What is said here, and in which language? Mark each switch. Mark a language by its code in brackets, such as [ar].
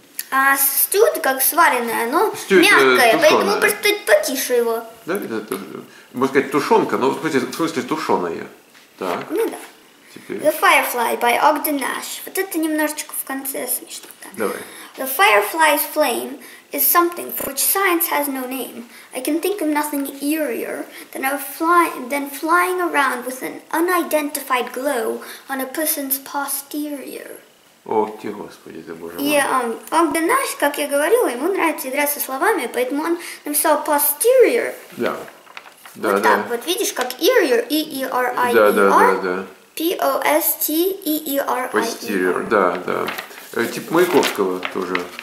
[ru] А stewed, как сваренное, оно мягкое, поэтому просто потише его. Да, это, можно сказать, тушенка, но в смысле тушеное. Так. Ну да. Теперь. [en] The Firefly by Ogden Nash. [ru] Вот это немножечко в конце смешно. Давай. [en] The Firefly's flame is something for which science has no name. I can think of nothing eerier than flying around with an unidentified glow on a person's posterior. [ru] Ох ты, Господи, ты Боже мой. И Ogden Nash, как я говорила, ему нравится играть со словами, поэтому он написал posterior. Да. Да, вот да. Так, вот видишь, как eerier, E-E-R-I-E-R. Да. [en] P-O-S-T-E-E-R-I-E-R. [ru] Posterior, да. Тип Маяковского тоже.